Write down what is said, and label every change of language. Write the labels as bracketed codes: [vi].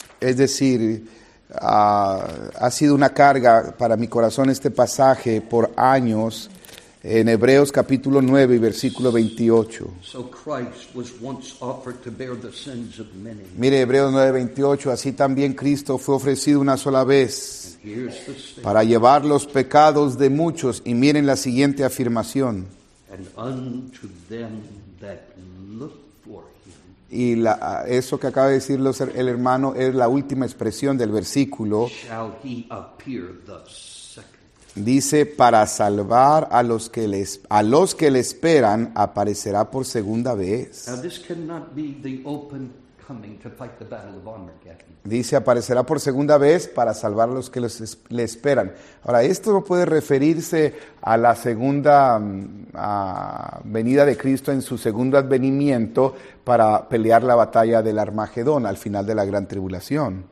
[es] Es decir, ha sido una carga para mi corazón este pasaje por años en Hebreos capítulo 9 y versículo 28. [en] So Christ was once offered to bear the sins of many. [es] Mire Hebreos 9, 28, así también Cristo fue ofrecido una sola vez para llevar los pecados de muchos. Y miren la siguiente afirmación. [en] And unto them that look for him. [es] Y eso que acaba de decir el hermano es la última expresión del versículo. [en] Shall he appear the second. [es] Dice, para salvar a los que le esperan, aparecerá por segunda vez. [en] Now this cannot be the open coming to fight the battle of Armageddon. [es] Dice, aparecerá por segunda vez para salvar a los que le esperan. Ahora, esto no puede referirse a la segunda venida de Cristo en su segundo advenimiento para pelear la batalla del Armagedón al final de la gran tribulación.